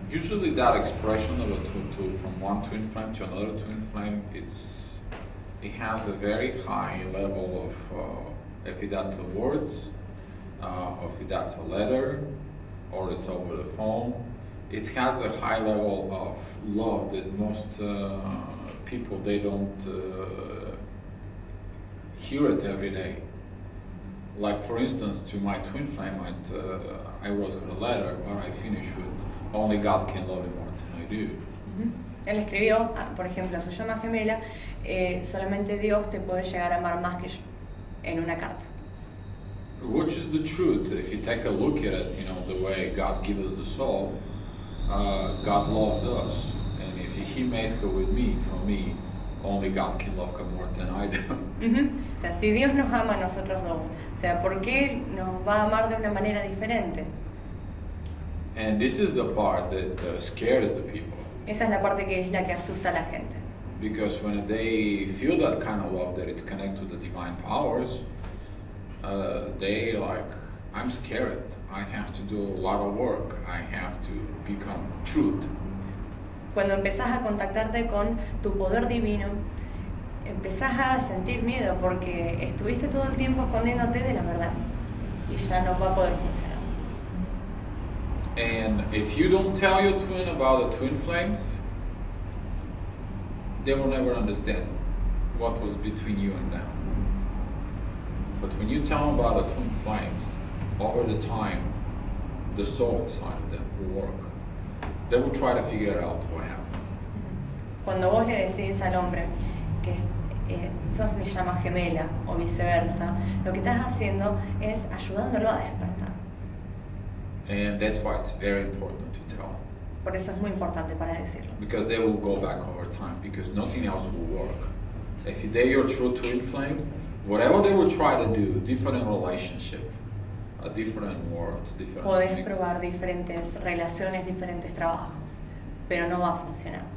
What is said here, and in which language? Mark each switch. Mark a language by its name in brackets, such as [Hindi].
[English] Usually that expression of a twin from one twin flame to another twin flame, it has a very high level of, if that's the words, or if that's a letter, or it's over the phone, it has a high level of love that most people, they don't hear it every day. Like for instance, to my twin flame, I wrote a letter, but I finished with, only God can love you more than I do. Mm-hmm. [Spanish] Él escribió, por ejemplo, a su llama gemela, solamente Dios te puede llegar a amar más que yo, en una carta. [English] Which is the truth, if you take a look at it, you know, the way God gives us the soul, God loves us, and if he made her with me, for me, only God can love her more than I do. [Spanish] O sea, si Dios nos ama a nosotros dos, o sea, ¿por qué nos va a amar de una manera diferente? [English] And this is the part that scares the people. [Spanish] Esa es la parte que es la que asusta a la gente. [English] Because when they feel that kind of love, that it's connected to the divine powers, they like, I'm scared. I have to do a lot of work. I have to become truth. [Spanish] Cuando empezás a contactarte con tu poder divino, empezás a sentir miedo porque estuviste todo el tiempo escondiéndote de la verdad y ya no va a poder funcionar. [English] And if you don't tell your twin about the twin flames, they will never understand what was between you and them. But when you tell them about the twin flames, over the time, the soul inside of them will work. They will try to figure it out what happened. [Spanish] Cuando vos le decís al hombre que sos mi llama gemela o viceversa, lo que estás haciendo es ayudándolo a despertar. [English] And that's why it's very important to tell. [Spanish] Por eso es muy importante para decirlo. [English] Because they will go back over time, because nothing else will work. If they're your true twin flame, whatever they will try to do, different relationship, a different world, different [Spanish] Podés [English] things. [Spanish] Probar diferentes relaciones, diferentes trabajos, pero no va a funcionar.